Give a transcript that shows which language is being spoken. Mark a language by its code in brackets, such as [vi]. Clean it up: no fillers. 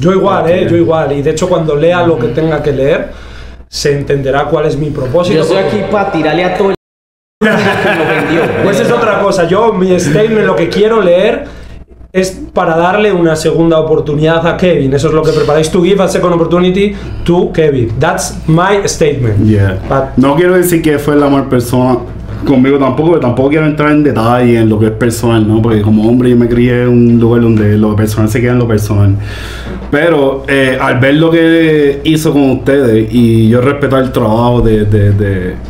[es] Yo igual, yo igual. Y de hecho, cuando lea lo que tenga que leer, se entenderá cuál es mi propósito. Yo estoy aquí para tirarle a todo el... Pues es otra cosa. Yo, mi statement, lo que quiero leer es para darle una segunda oportunidad a Kevin. Eso es lo que preparáis. [en] To give a second opportunity to Kevin. That's my statement. Yeah. But... [es] No quiero decir que fue la mejor persona. Conmigo tampoco, pero tampoco quiero entrar en detalle en lo que es personal, ¿no? Porque como hombre yo me crié en un lugar donde lo personal se queda en lo personal. Pero al ver lo que hizo con ustedes y yo respetar el trabajo de...